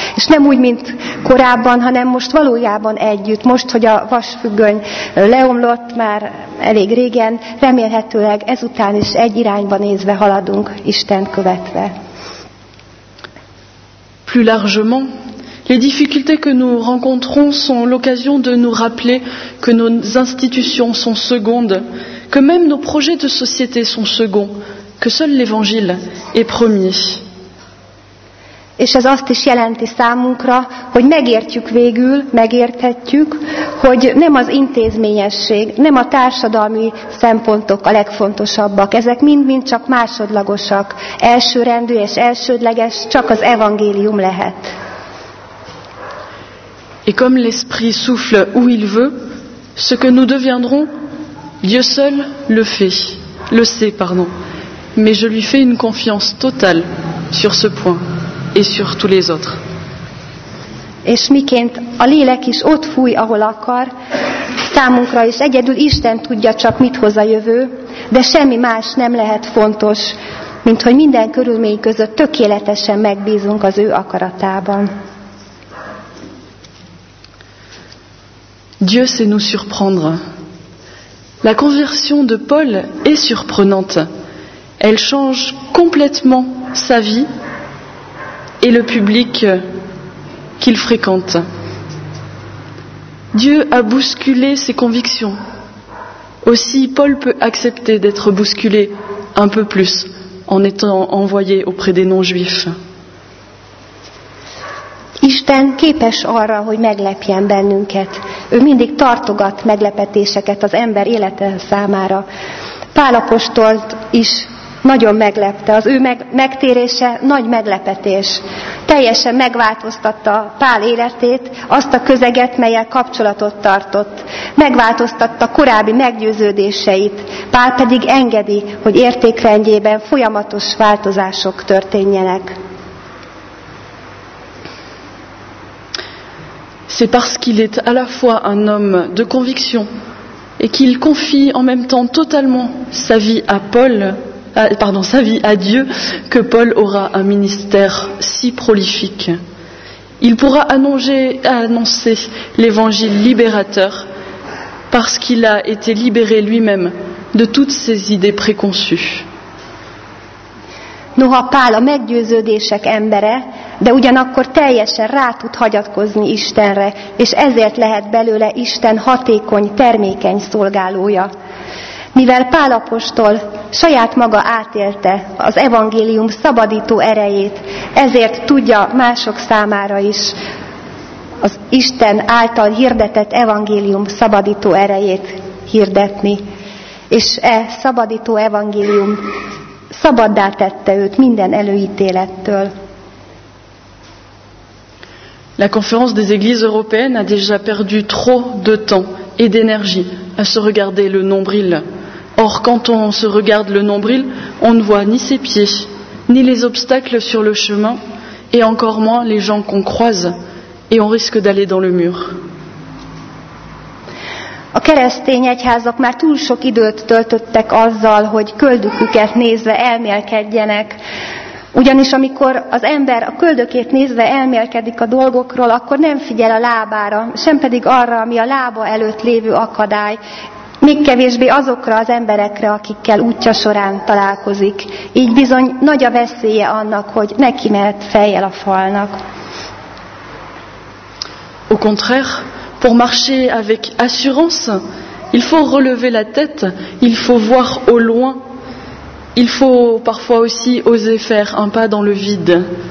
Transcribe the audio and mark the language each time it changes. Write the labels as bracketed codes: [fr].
[hu] És nem úgy, mint korábban, hanem most valójában együtt. Most, hogy a vasfüggöny leomlott már elég régen, remélhetőleg ezután is egy irányba nézve haladunk, Isten követve. [fr] Plus largement, les difficultés que nous rencontrons sont l'occasion de nous rappeler que nos institutions sont secondes, que même nos projets de société sont seconds, que seul l'Évangile est premier. [hu] És ez azt is jelenti számunkra, hogy megértjük végül, megérthetjük, hogy nem az intézményesség, nem a társadalmi szempontok a legfontosabbak. Ezek mind-mind csak másodlagosak, elsőrendű és elsődleges, csak az evangélium lehet. [fr] Et comme l'Esprit souffle où il veut, ce que nous deviendrons, Dieu seul le sait. Mais je lui fais une confiance totale sur ce point et sur tous les autres. [hu] És miként a lélek is ott fúj, ahol akar, számunkra is egyedül Isten tudja csak, mit hoz a jövő, de semmi más nem lehet fontos, mint hogy minden körülmény között tökéletesen megbízunk az ő akaratában. [fr] Dieu sait nous surprendre. La conversion de Paul est surprenante. Elle change complètement sa vie et le public qu'il fréquente. Dieu a bousculé ses convictions. Aussi, Paul peut accepter d'être bousculé un peu plus en étant envoyé auprès des non-juifs. [hu] Isten képes arra, hogy meglepjen bennünket. Ő mindig tartogat meglepetéseket az ember élete számára. Pál apostolt is nagyon meglepte. Az ő megtérése nagy meglepetés. teljesen megváltoztatta Pál életét, azt a közeget, mellyel kapcsolatot tartott. Megváltoztatta korábbi meggyőződéseit, Pál pedig engedi, hogy értékrendjében folyamatos változások történjenek. [fr] C'est parce qu'il est à la fois un homme de conviction et qu'il confie en même temps totalement sa vie à Paul, sa vie à Dieu, que Paul aura un ministère si prolifique. Il pourra annoncer l'évangile libérateur parce qu'il a été libéré lui-même de toutes ses idées préconçues. [hu] Noha Pál a meggyőződések embere, de ugyanakkor teljesen rá tud hagyatkozni Istenre, és ezért lehet belőle Isten hatékony, termékeny szolgálója. Mivel Pál apostol saját maga átélte az evangélium szabadító erejét, ezért tudja mások számára is az Isten által hirdetett evangélium szabadító erejét hirdetni. És e szabadító evangélium szabaddá tette őt minden előítélettől. [fr] La conférence des églises européennes a déjà perdu trop de temps et d'énergie à se regarder le nombril. Or, quand on se regarde le nombril, on ne voit ni ses pieds, ni les obstacles sur le chemin, et encore moins les gens qu'on croise, et on risque d'aller dans le mur. [hu] A keresztény egyházak már túl sok időt töltöttek azzal, hogy köldöküket nézve elmélkedjenek. Ugyanis amikor az ember a köldökét nézve elmélkedik a dolgokról, akkor nem figyel a lábára, sem pedig arra, ami a lába előtt lévő akadály, még kevésbé azokra az emberekre, akikkel útja során találkozik. Így bizony nagy a veszélye annak, hogy neki mehet fejjel a falnak. [fr] Au contraire, pour marcher avec assurance, il faut relever la tête, il faut voir au loin, il faut parfois aussi oser faire un pas dans le vide.